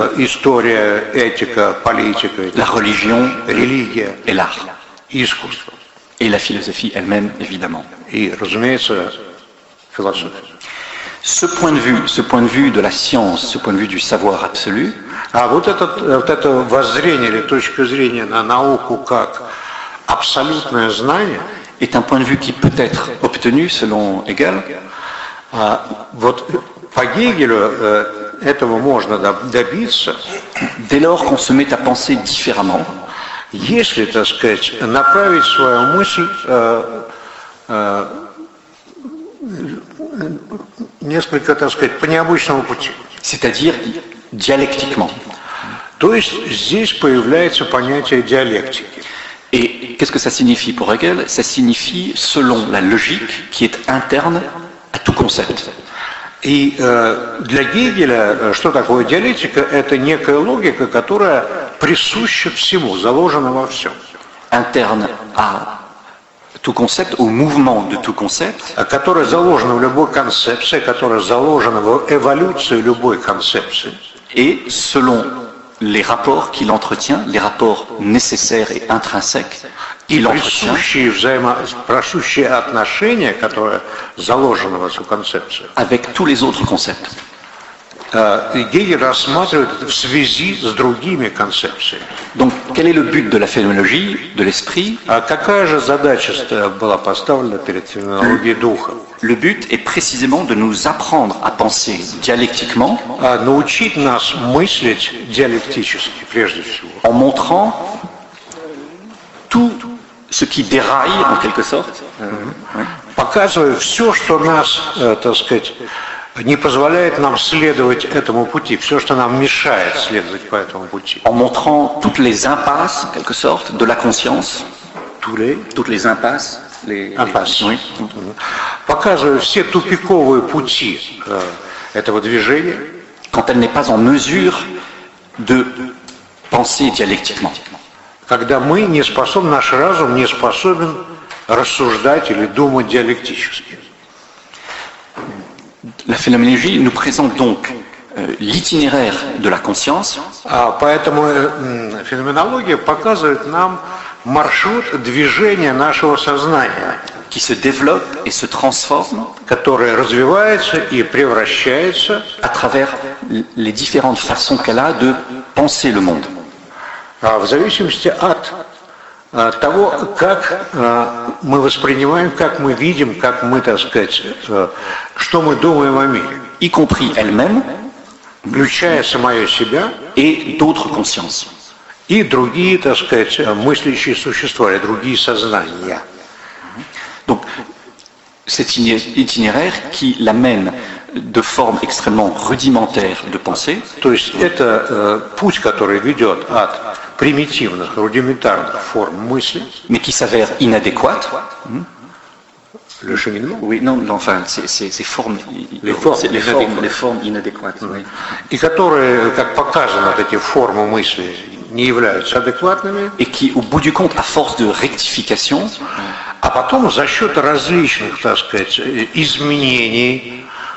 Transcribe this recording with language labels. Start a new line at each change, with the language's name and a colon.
Russian: история, этика, политика,
French: la religion,
Russian: религия,
French: et l'art,
Russian: искусство,
French: et la philosophie elle-même, évidemment,
Russian: и, разумеется, философия.
French: Ce point de vue de la science, ce point de vue du savoir absolu,
Russian: вот это воззрение или точка зрения на науку как абсолютное знание,
French: est un point de vue qui peut être obtenu selon Hegel.
Russian: Вот по Гегелю этого можно добиться,
French: dès lors qu'on se met à penser différemment,
Russian: если, так сказать, направить свою мысль несколько, так сказать, по необычному пути.
French: C'est-à-dire dialectiquement.
Russian: То есть здесь появляется понятие диалектики.
French: Et qu'est-ce que ça signifie pour Hegel? Ça signifie selon la logique qui est interne à tout concept.
Russian: И для Гегеля, что такое диалектика? Это некая логика, которая присуща всему, заложена во всем.
French: Interne à tout concept, au mouvement de tout concept,
Russian: которая заложена в любой концепции, которая заложена в эволюции любой концепции,
French: et selon les rapports qu'il entretient, les rapports nécessaires et intrinsèques,
Russian: il присущие присущие отношения, которые заложены в эту концепцию,
French: avec tous les autres concepts.
Russian: Гегель рассматривает в связи с другими концепциями.
French: Donc, quel est le but de la phénoménologie de l'esprit?
Russian: Какая же задача была поставлена перед феноменологией духа?
French: Le but est précisément de nous apprendre à penser dialectiquement,
Russian: научить нас мыслить диалектически, прежде всего,
French: en montrant tout ce qui déraille, en quelque sorte,
Russian: показывая все, что нас, так сказать, не позволяет нам следовать этому пути, все, что нам мешает следовать по этому пути.
French: En montrant toutes les impasses, en quelque sorte, de la conscience. Toutes les impasses. Impasses. Oui.
Russian: Показывая все тупиковые пути этого движения.
French: Quand elle n'est pas en mesure de penser dialectiquement.
Russian: Когда мы не способны, наш разум не способен рассуждать или думать диалектически.
French: La phénoménologie nous présente donc l'itinéraire de la conscience.
Russian: Поэтому phénoménologie показывает нам маршрут движения нашего сознания.
French: qui se développe et se transforme,
Russian: которая развивается и превращается
French: à travers les différentes façons qu'elle a de penser le monde.
Russian: В зависимости от того, как мы воспринимаем, как мы видим, как мы, так сказать, что мы думаем о мире,
French: y compris elle-même,
Russian: включая самое себя
French: et d'autres consciences.
Russian: И другие, так сказать, мыслящие существа, или другие сознания.
French: Donc, cet itinéraire qui l'amène de forme extrêmement rudimentaire de pensée.
Russian: То есть это путь, который ведет от примитивных, рудиментарных форм мысли.
French: Mais qui s'avère inadéquat. Le cheminement. Oui, non, non, enfin, c'est formes, les formes, c'est les formes inadéquates. Mm. Oui.
Russian: И которые, как показано, эти формы мысли не являются адекватными.
French: Et qui, au bout du compte, à force de rectification,
Russian: а потом за счет различных, так сказать, изменений,